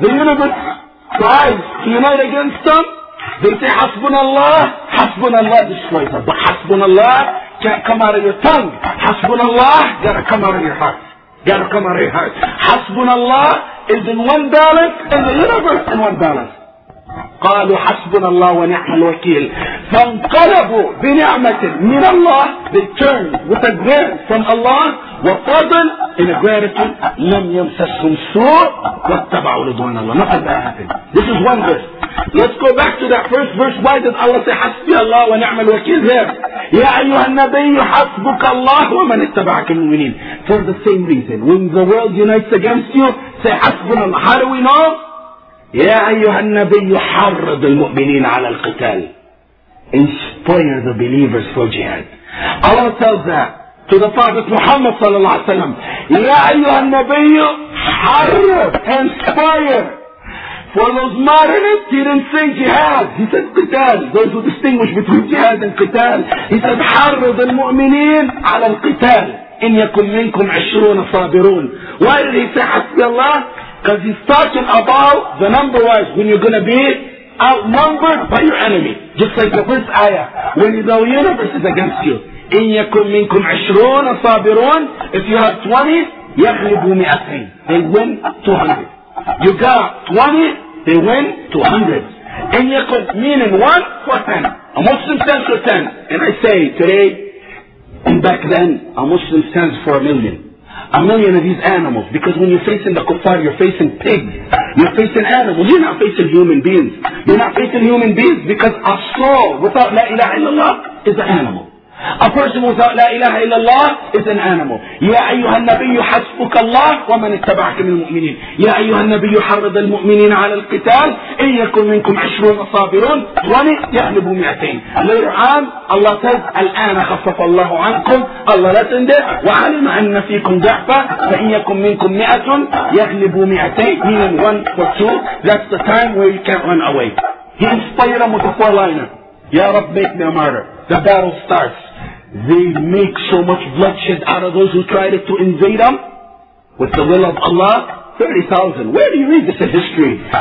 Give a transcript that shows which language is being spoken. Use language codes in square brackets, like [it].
[en] The universe tries to unite against them. They say, hasbunallah, hasbunallah destroys them. But hasbunallah can't come out of your tongue. Hasbunallah gotta come out of your heart. Gotta come out of your heart. Hasbunallah is in one balance and the universe in one balance. [ar] قالوا حسبنا الله ونعم الوكيل فانقلبوا بنعمة من الله. [en] They turned with a grant from Allah [ar] وفضل [en] in a gratitude. [ar] لم يمسسهم سوء واتبعوا رضوان الله. [en] Nothing bad happened. This is one verse. Let's go back to that first verse. Why did Allah say [ar] حسبي الله ونعم الوكيل [en] there? [ar] يا أيها النبي حسبك الله ومن اتبعك المؤمنين. [en] For the same reason, when the world unites against you, say [ar] حسبنا الله. [en] How do we know? [ar] يا أيها النبي حرض المؤمنين على القتال. [en] Inspire the believers for jihad. Allah tells that to the Prophet Muhammad [ar] صلى الله عليه وسلم. يا أيها النبي حرض. [en] Inspire. For those moderates, he didn't say jihad. He said قتال. Those who distinguish between jihad and قتال. [ar] He said حرض المؤمنين على القتال. إن يكن منكم عشرون صابرون. [en] Why did he say [ar] حسبي الله? [en] Because he's talking about the number wise, when you're going to be outnumbered by your enemy. Just like the first ayah, when the universe is against you. [ar] إِن يَكُمْ مِنْكُمْ عَشْرُونَ صَابِرُونَ. [en] If you have 20, [ar] يَغْلِبُوا مِئَتَيْن. [en] They win 200. You got 20, they win 200. [ar] إِن يَكُمْ [en] meaning 1 for 10. A Muslim stands for 10. And I say today, and back then, a Muslim stands for a million. A million of these animals, because when you're facing the kuffar, you're facing pigs, you're facing animals, you're not facing human beings. You're not facing human beings because a soul without [ar] la ilaha illallah [en] is an animal. A person without [ar] la ilaha illallah [en] is an animal. [ar] يا أيها النبي حسبك الله ومن اتبعك من المؤمنين. يا أيها النبي حرض المؤمنين على القتال إن يكن منكم عشرون صابرون ولن يغلبوا 200. [en] Later on, Allah says, [ar] الآن خفف الله عنكم. [en] Allah lessened it. [ar] وعلم أن فيكم ضعفا فإن يكن منكم 100 يغلبوا 200. [en] Meaning 1 for 2. That's the time where you can't run away. He inspired them with a four-liner. [ar] يا رب [en] make me a martyr. The battle starts. They make so much bloodshed out of those who tried to invade them. With the will of Allah, 30,000. Where do you read this in history?